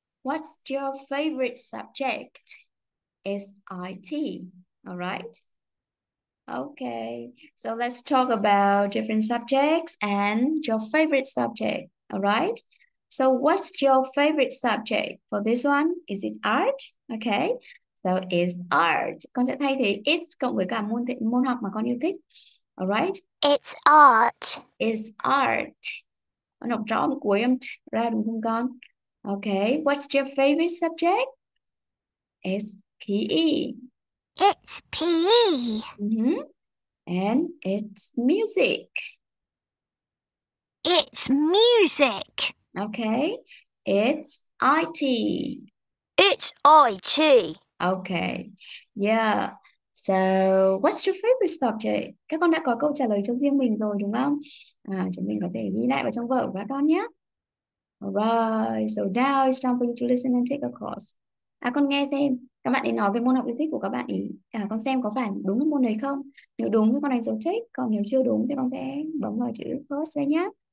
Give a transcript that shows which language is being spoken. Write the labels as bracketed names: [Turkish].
[English] What's your favorite subject? It's IT. All right. Okay, so let's talk about different subjects and your favorite subject, all right? So what's your favorite subject for this one? Is it art? Okay, so it's art. [Vietnamese] Con sẽ thay thế it's cộng với cả môn học mà con yêu thích, [English] all right? It's art. It's art. [Vietnamese] Con đọc rõ một cuối âm t ra đúng không con? [English] Okay, what's your favorite subject? It's PE. It's PE. And it's music. It's music. Okay. It's IT. It's IT. Okay. Yeah. So, what's your favorite subject? [Vietnamese] Các con đã có câu trả lời cho riêng mình rồi, đúng không? À, chúng mình có thể ghi lại vào trong vở của các con nhé. [English] Alright. So, now it's time for you to listen and take a course. [Vietnamese] À, con nghe xem. Các bạn ấy nói về môn học yêu thích của các bạn ý. À, con xem có phải đúng môn này không. Nếu đúng thì con đánh dấu tick. Còn nếu chưa đúng thì con sẽ bấm vào chữ first đây nhé.